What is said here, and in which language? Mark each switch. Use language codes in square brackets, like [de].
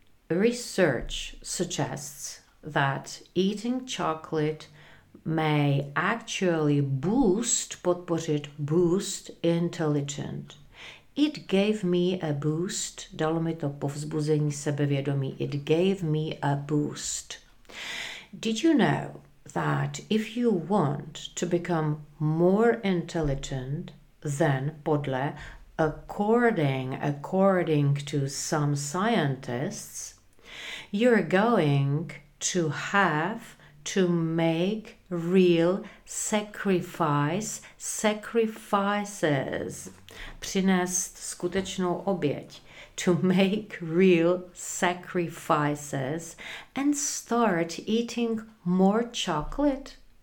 [en] Research suggests that eating chocolate may actually boost, boost intelligence. It gave me a boost. [cs] Dalo mi to povzbuzení sebevědomí. [en] It gave me a boost. Did you know that if you want to become more intelligent, then podle, according to some scientists, you're going to have to make real sacrifices. [cs] Přinést skutečnou oběť. [en] To make real sacrifices and start eating more chocolate.